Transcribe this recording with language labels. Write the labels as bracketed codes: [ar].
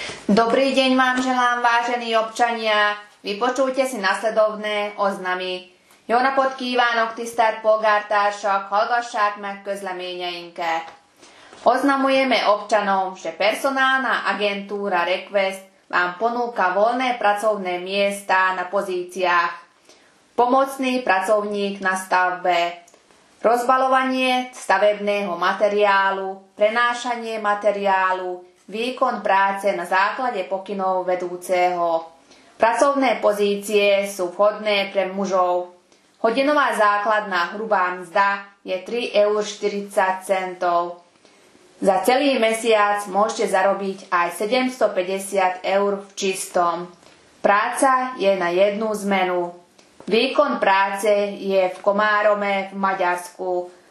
[sk] Dobrý deň vám želám, vážení občania. Vypočujte si nasledovné oznamy. [hu] Jó napot kívánok, tisztelt polgártársak, hallgassák meg közleményeinket. [sk] Oznamujeme občanom, že personálna agentúra Request vám ponúka voľné pracovné miesta na pozíciách. Pomocný pracovník na stavbe. Rozbalovanie stavebného materiálu, prenášanie materiálu, výkon práce na základe pokynov vedúceho. Pracovné pozície sú vhodné pre mužov. Hodinová základná hrubá mzda je 3,40 €. Za celý mesiac môžete zarobiť aj 750 € v čistom. Práca je na jednu zmenu. Výkon práce je v Komárome v Maďarsku.